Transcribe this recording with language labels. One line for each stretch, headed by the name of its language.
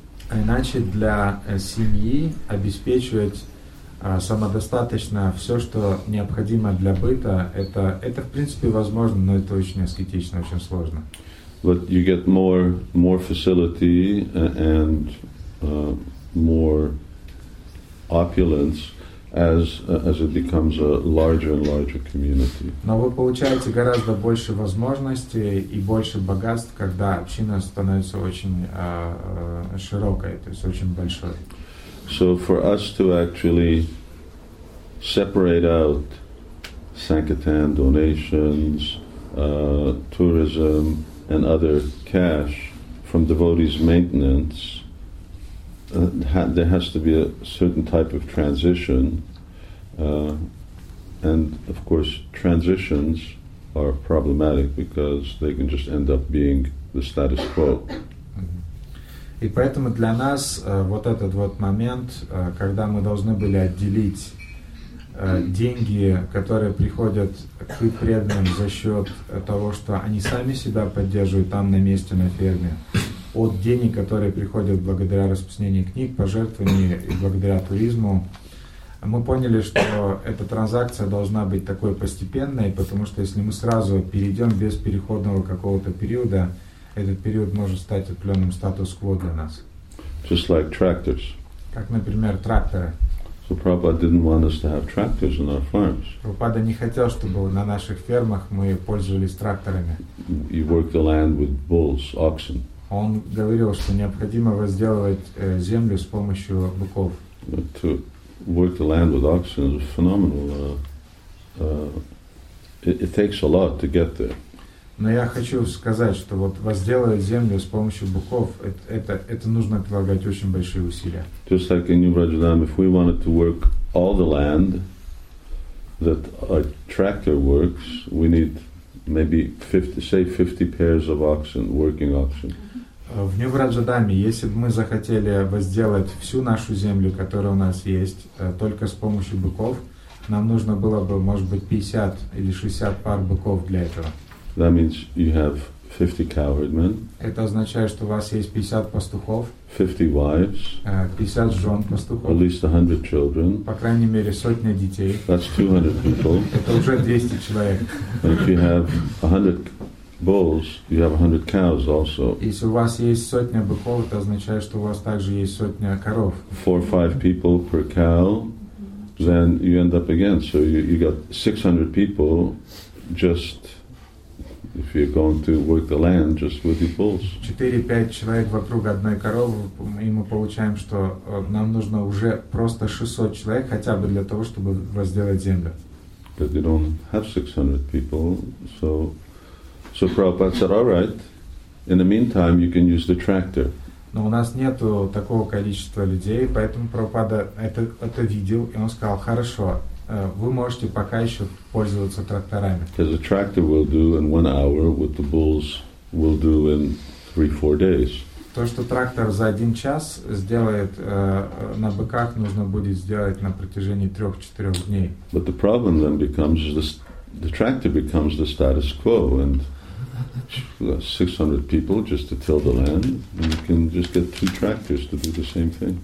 Russian: А иначе для семьи обеспечивать самодостаточно все, что необходимо для быта, это в принципе возможно, но это очень аскетично, очень сложно.
English: But you get more facility and more opulence as it becomes a larger and larger community.
Russian: Но вы получаете гораздо больше возможностей и больше богатств, когда община становится очень широкой, то есть очень большой.
English: So for us to actually separate out Sankirtan donations, tourism and other cash from devotees' maintenance, there has to be a certain type of transition. And of course, transitions are problematic because they can just end up being the status quo.
Russian: И поэтому для нас вот этот вот момент, когда мы должны были отделить деньги, которые приходят к преданным за счет того, что они сами себя поддерживают там на месте на ферме, от денег, которые приходят благодаря распространению книг, пожертвований и благодаря туризму. Мы поняли, что эта транзакция должна быть такой постепенной, потому что если мы сразу перейдем без переходного какого-то периода, этот период может стать определенным статус-кво для нас.
English: Just like tractors.
Russian: Как, например, тракторы.
English: So Prabhupada didn't want us to have tractors on our farms.
Russian: Прабхупада не хотел, чтобы на наших фермах мы пользовались тракторами.
English: He worked the land with bulls, oxen.
Russian: Он говорил, что необходимо возделывать землю с помощью быков.
English: But to work the land with oxen is phenomenal. It takes a lot to get there.
Russian: Но я хочу сказать, что вот возделывать землю с помощью быков, это нужно прилагать очень большие усилия.
English: Just like in New Vrindavan, if we wanted to work all the land that a tractor works, we need maybe 50 pairs of oxen, working oxen.
Russian: В New Vrindavan, если бы мы захотели возделать всю нашу землю, которая у нас есть, только с помощью быков, нам нужно было бы, может быть, 50 или 60 пар быков для этого.
English: That means you have 50 cowherd men.
Russian: Это означает, что у вас есть 50 пастухов.
English: 50 wives.
Russian: 50 жен пастухов.
English: At least 100 children.
Russian: По крайней мере, сотня детей.
English: That's 200 people.
Russian: Это уже 200 человек.
English: If you have 100 bulls, you have 100 cows also.
Russian: Если у вас есть сотня быков, это означает, что у вас также есть сотня коров.
English: 4-5 people per cow, then you end up again. So you got 600 people just... If you're going to work the land just with your bulls.
Russian: 4-5 человек вокруг одной коровы, и мы получаем, что нам нужно уже просто 600 человек хотя бы для того, чтобы возделать землю.
English: But you don't have 600 people, so Prabhupada said, all right, in the meantime, you can use the tractor.
Russian: Но у нас нету такого количества людей, поэтому Прабхупада это видел, и он сказал, хорошо, вы можете пока еще пользоваться тракторами.
English: Because a tractor will do in 1 hour what the bulls will do in 3-4 days.
Russian: То, что трактор за один час сделает на быках, нужно будет сделать на протяжении 3-4 дней.
English: But the problem then becomes the tractor becomes the status quo and 600 people just to till the land, and you can just get 2 tractors to do the same thing.